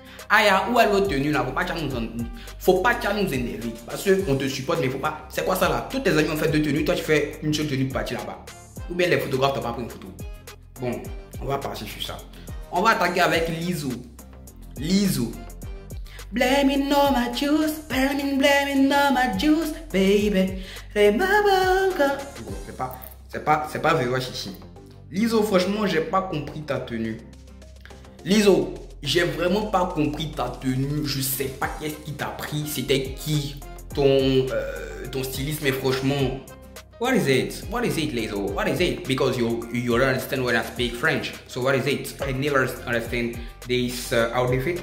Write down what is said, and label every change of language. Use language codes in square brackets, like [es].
[fr] Aya, où est votre tenue là? Faut pas nous énerver. Parce qu'on te supporte, mais faut pas. C'est quoi ça là? Tous tes amis ont fait deux tenues, toi tu fais une seule tenue de partie là-bas. Ou bien les photographes t'ont pas pris une photo. Bon, on va partir sur ça. On va attaquer avec Lizzo. Lizzo. [en] Blaming all my juice, blaming all my juice, baby. [fr] Les mamans. Bon, c'est pas Véro Chichi. Lizzo, franchement, j'ai pas compris ta tenue. Lizzo. J'ai vraiment pas compris ta tenue. Je sais pas qu'est-ce qui t'a pris. C'était qui ton styliste? Mais franchement, [en] what is it? What is it, Lizzo? What is it? Because you don't understand when I speak French. So what is it? I never understand this outfit.